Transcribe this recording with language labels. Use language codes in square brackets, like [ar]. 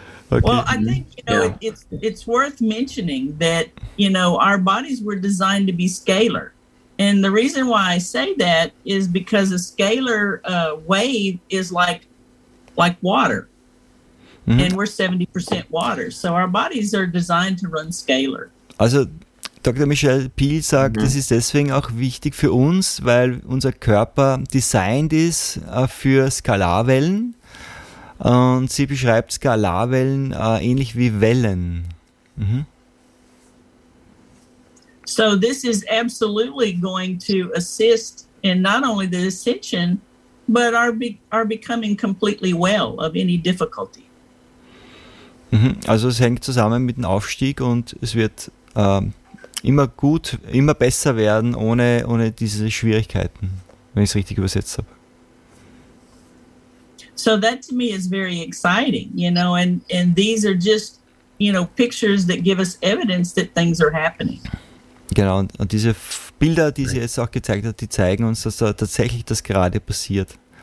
[en] Well, I think you know it's worth mentioning that you know our bodies were designed to be scalar, and the reason why I say that is because a scalar wave is like water. Mm-hmm. And we're 70% water. So our bodies are designed to run scalar. [de] Also Dr. Michelle Peel sagt, mm-hmm. das ist deswegen auch wichtig für uns, weil unser Körper designed ist für Skalarwellen. Und sie beschreibt Skalarwellen ähnlich wie Wellen. Mm-hmm. [en] So this is absolutely going to assist in not only the ascension, but our becoming completely well of any difficulty. [de] Also es hängt zusammen mit dem Aufstieg und es wird immer gut, immer besser werden ohne diese Schwierigkeiten, wenn ich es richtig übersetzt habe. [en] So that to me is very exciting, you know, and these are just, you know, pictures that give us evidence that things are happening. [de] Genau, und diese Bilder, die sie jetzt auch gezeigt hat, die zeigen uns, dass tatsächlich das gerade passiert.